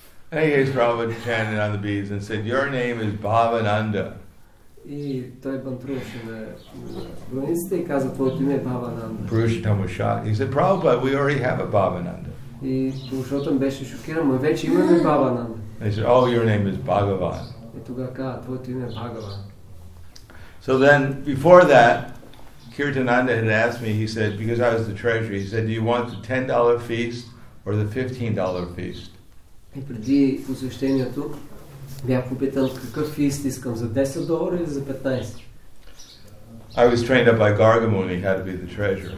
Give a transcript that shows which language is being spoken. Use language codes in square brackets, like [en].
[en] Hey, he's probably chanted on the beads and said, "Your name is Bhavananda." Purushottam was shocked. He said, "Prabhupada, we already have a Bhavananda." [bg] И Пурушотам беше шокиран, но вече имаме Бхавананда. [en] They said, "Oh, your name is Bhagavan." [bg] И тогава каза, твоето име е Бхагаван. [en] So then, before that, Kirtananda had asked me, he said, because I was the treasurer, he said, "Do you want the $10 feast or the $15 feast?" [bg] И преди посещението бях попитал, какъв фист искам, за $10 или за $15? [en] I was trained up by Gargamuni how to be the treasurer.